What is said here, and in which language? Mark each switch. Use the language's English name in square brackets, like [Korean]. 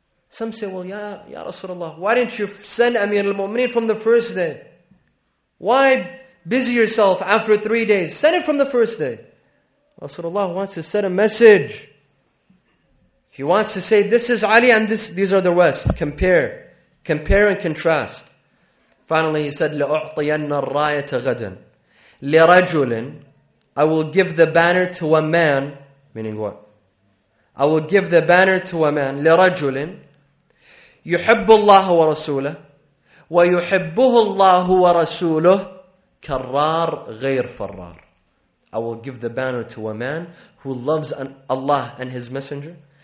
[English] Some say, well, Ya Rasulullah, why didn't you send Amir al-Mu'mineen from the first day? Why busy yourself after 3 days? Send it from the first day. Rasulullah wants to send a message. He wants to say, this is Ali and these are the rest. Compare. Compare and contrast. Finally he said, [Arabic] لَأُعْطِيَنَّ الرَّايَةَ غَدًا لِرَجُلٍ. [English] I will give the banner to a man. Meaning what? I will give the banner to a man. [Arabic] لِرَجُلٍ يُحِبُّ اللَّهُ وَرَسُولَهُ وَيُحِبُّهُ اللَّهُ وَرَسُولُهُ كَرَّار غَيْر فَرَّار. [English] I will give the banner to a man who loves Allah and His Messenger.